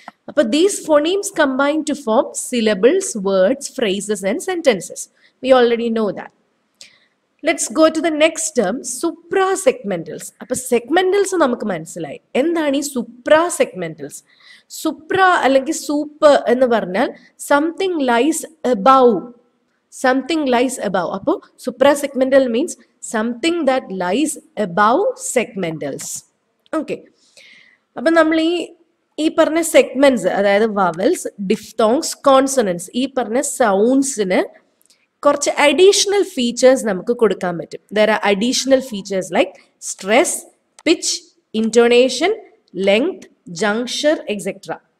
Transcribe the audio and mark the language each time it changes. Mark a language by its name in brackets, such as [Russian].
[English] അപ്പൊ these phonemes combine to form syllables, words, phrases and sentences. We already know that. Let's go to the next term, suprasegmentals. [Malayalam] അപ്പൊ സെഗ്മെന്റൽസ് നമുക്ക് മനസ്സിലായി. എന്താണ് ഈ സുപ്രാ സെഗ്മെന്റൽസ്? സുപ്ര അല്ലെങ്കിൽ സൂപ്പർ എന്ന് പറഞ്ഞാൽ [English] Something lies above, something lies above. അപ്പോ suprasegmental means something that lies above segmentals. Okay. [Malayalam] അപ്പം നമ്മൾ ഈ പറഞ്ഞ സെഗ്മെന്റ്സ്, അതായത് വവൽസ്, ഡിഫ്തോങ്സ്, കോൺസണൻസ്, ഈ പറഞ്ഞ സൗണ്ട്സിന് കുറച്ച് അഡീഷണൽ ഫീച്ചേഴ്സ് നമുക്ക് കൊടുക്കാൻ പറ്റും. [English] There are additional features like stress, pitch, intonation, length, juncture, etcetera.